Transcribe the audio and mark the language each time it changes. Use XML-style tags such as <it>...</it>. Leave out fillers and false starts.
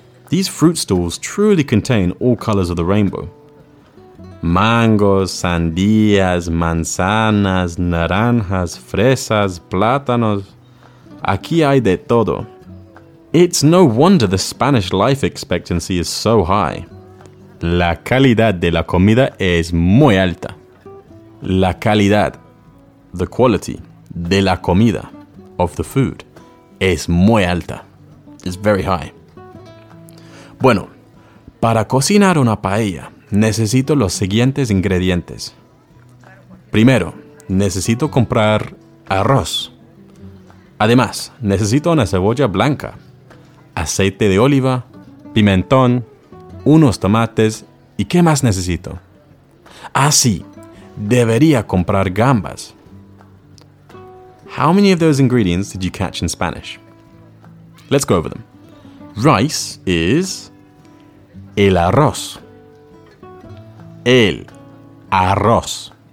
<en>These fruit stalls truly contain all colours of the rainbow.</en> <es>Mangos, sandías, manzanas, naranjas, fresas, plátanos. Aquí hay de todo.</es> <en>It's no wonder the Spanish life expectancy is so high.</en> <es>La calidad de la comida es muy alta. La calidad,</es> <en>the quality,</en> <es>de la comida,</es> <en>of the food,</en> <es>es muy alta.</es> <en>It's very high.</en> <es>Bueno, para cocinar una paella, necesito los siguientes ingredientes. Primero, necesito comprar arroz. Además, necesito una cebolla blanca, aceite de oliva, pimentón, unos tomates y ¿qué más necesito? Ah, sí, debería comprar gambas.</es> <en>How many of those ingredients did you catch in Spanish? Let's go over them. Rice is</en> <es>el arroz. El arroz.</es>